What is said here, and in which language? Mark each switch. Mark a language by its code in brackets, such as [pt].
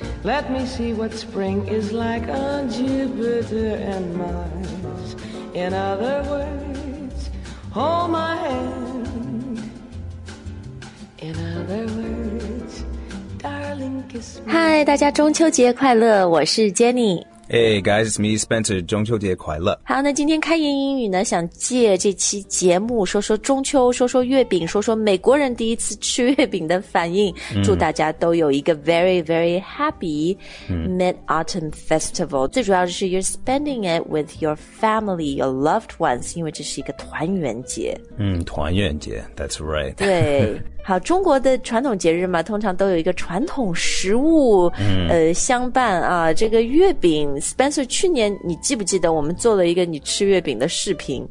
[en] Let me see what spring is like on Jupiter and Mars. In other words, hold my hand. In other words, darling, kiss me. [zh] Hi, 大家中秋节快乐，我是 Jenny。 [en] Hey guys, it's me, Spencer. [zh] 中秋节快乐。好，那今天开言英语呢，想借这期节目说说中秋，说说月饼，说说美国人第一次吃月饼的反应。祝大家都有一个 [en] very, very happy Mid-Autumn Festival. [zh] 最主要就是 [en] you're spending it with your family, your loved ones, [zh] 因为这是一个团圆节。 [en] 团圆节 ,that's right. [zh] 对。好，中国的传统节日嘛，通常都有一个传统食物，相伴啊。这个月饼 ，Spencer， 去年你记不记得我们做了一个你吃月饼的视频？